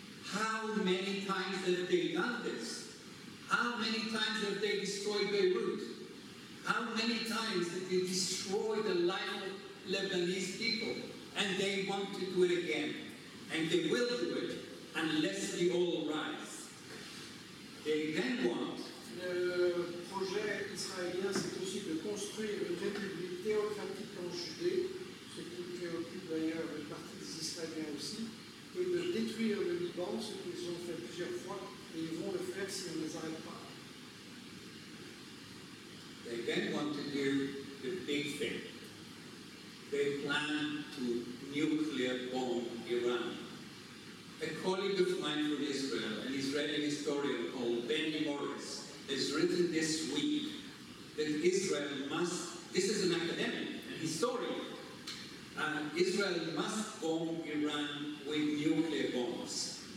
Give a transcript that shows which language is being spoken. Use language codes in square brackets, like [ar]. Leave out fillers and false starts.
[en] How many times have they done this? How many times have they destroyed Beirut? How many times did they destroy the life of Lebanese people? And they want to do it again. And they will do it unless we all rise. They then want... [fr] Le projet israélien, c'est aussi de construire une république théocratique en Judée, ce qui préoccupe d'ailleurs une partie des Israéliens aussi, et de détruire le Liban, ce qu'ils ont fait plusieurs fois, et ils vont le faire si on ne les arrête pas. [en] They then want to do the big thing. They plan to nuclear bomb Iran. A colleague of mine from Israel, an Israeli historian called Benny Morris, has written this week that Israel must, this is an academic, an historian, Israel must bomb Iran with nuclear bombs.